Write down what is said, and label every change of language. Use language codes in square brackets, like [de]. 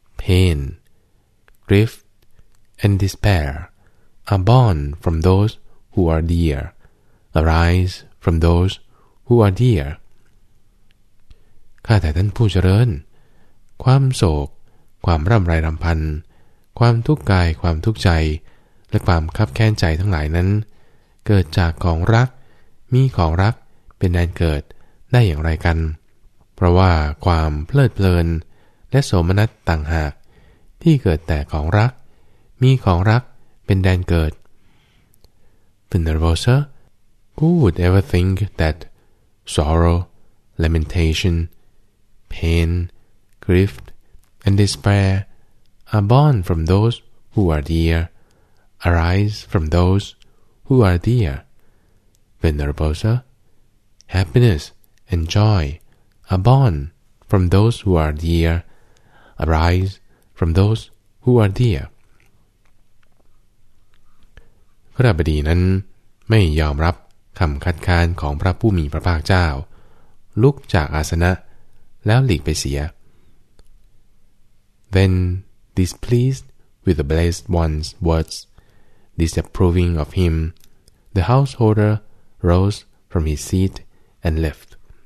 [en] Pain, grief, and despair are born from those who are dear, arise from those who are dear. [th] ข้าแต่ท่านผู้เจริญความโศกความร่ำไรรำพันความทุกข์กายความทุกข์ใจ และความคับแค้นใจทั้งหลายนั้นเกิดจากของรักมีของรักเป็นแดนเกิดได้อย่างไรกัน เพราะว่าความเพลิดเพลินและโสมนัสต่างหากที่เกิดแต่ของรักมีของรักเป็นแดนเกิด [en] Venerable Sir, who would ever think that sorrow, lamentation, pain, grief, and despair are born from those who are dear, arise from those who are dear? Venerable Sir, happiness and joy are born from those who are dear, arise from those who are dear. [th] พระบดีนั้นไม่ยอมรับคำคัดค้านของพระผู้มีพระภาคเจ้าลุกจากอาสนะแล้วหลีกไปเสีย [en] Then displeased with the Blessed One's words, disapproving of him, the householder rose from his seat and left.